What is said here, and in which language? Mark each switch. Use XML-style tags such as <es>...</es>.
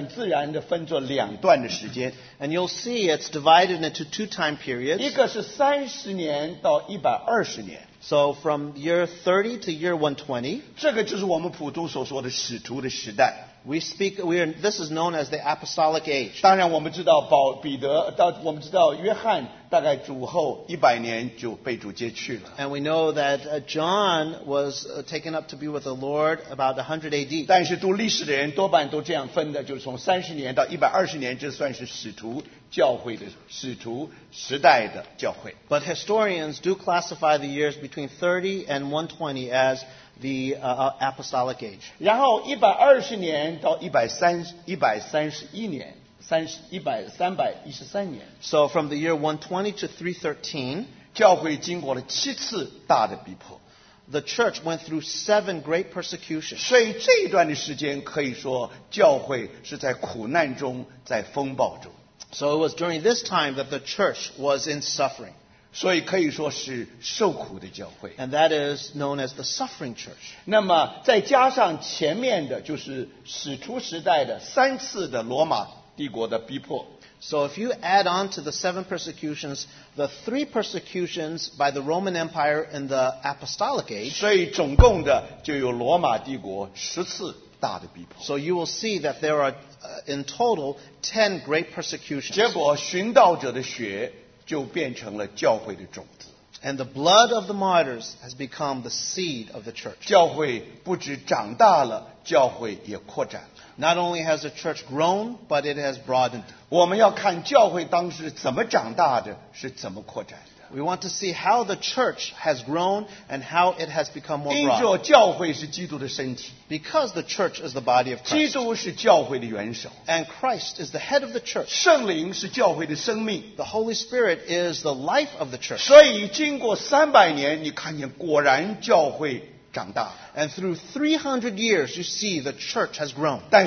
<zh>那么然后呢，我们如然后你发现这里面很自然的分作两段的时间。</zh> <en>And you'll see it's divided into two time periods.</en> <zh>一个是30年到120年。</zh> <en>So from year 30 to year 120.</en> <zh>这个就是我们普通所说的使徒的时代。</zh> <en>This is known as the apostolic age.</en> <zh>当然我们知道彼得，到我们知道约翰大概主后100年就被主接去了。</zh> <en>And we know that John was taken up to be with the Lord about 100 AD.</en> <zh>但是读历史的人多半都这样分的，就是从30年到120年，这算是使徒教会的使徒时代的教会。</zh> <en>But historians do classify the years between 30 and 120 as the apostolic age.</en> <zh>然后120年到131年, 313年。</zh> <en>So from the year 120 to 313,</en> <zh>教会经过了七次大的逼迫。</zh> <en>The church went through 7 great persecutions.</en> <zh>所以这一段的时间可以说教会是在苦难中，在风暴中。</zh> <en>So it was during this time that the church was in suffering.</en> <zh>所以可以说是受苦的教会。</zh> <en>And that is known as the suffering church.</en> <zh>那么再加上前面的就是使徒时代的三次的罗马帝国的逼迫。</zh> <en>So if you add on to the 7 persecutions, the 3 persecutions by the Roman Empire in the Apostolic Age,</en> <zh>所以总共的就有罗马帝国十次大的逼迫。</zh> <en>So you will see that there are in total 10 great persecutions.</en> <zh>结果殉道者的血就变成了教会的种子。</zh> <en>And the blood of the martyrs has become the seed of the church.</en> <zh>教会不止长大了，教会也扩展了。</zh> <en>Not only has the church grown, but it has broadened.</en> <zh>我们要看教会当时怎么长大的，是怎么扩展的。</zh> <en>We want to see how the church has grown and how it has become more broad.</en> <zh>因着教会是基督的身体。</zh> <en>Because the church is the body of Christ.</en> <zh>基督是教会的元首。</zh> <en>And Christ is the head of the church.</en> <zh>圣灵是教会的生命。</zh> <en>The Holy Spirit is the life of the church.</en> <zh>所以经过300年，你看见果然教会。</zh> <en>And through 300 years, you see the church has grown.</en>